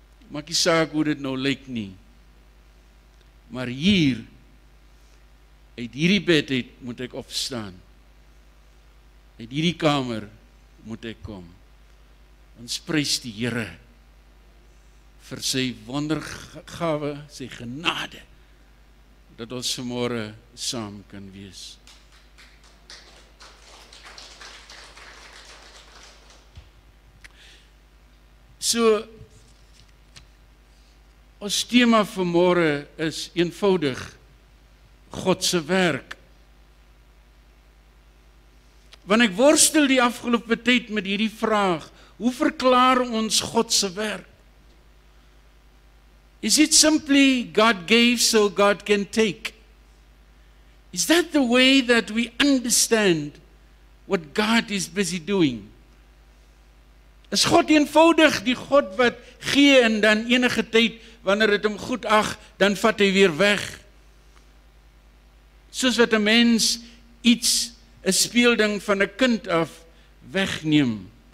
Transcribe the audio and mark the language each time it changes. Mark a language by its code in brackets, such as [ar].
[af] Maak nie saak hoe dit nou lyk nie. Maar hier, uit hierdie bed uit, moet ek opstaan. Uit hierdie kamer moet ek kom. Ons prys die Here vir sy wondergawe, sy genade, dat ons vanmorgen saam kan wees. So, ons thema vanmorgen is eenvoudig, Godse werk. Want ek worstel die afgelopen tijd met hierdie vraag, hoe verklaar ons Godse werk? [en] Is it simply God gave so God can take? Is that the way that we understand what God is busy doing? [af] Is God eenvoudig die God wat gee en dan enige tijd, wanneer het hem goed ag, dan vat hij weer weg? Soos wat een mens iets, een speelding van een kind af, wegneem.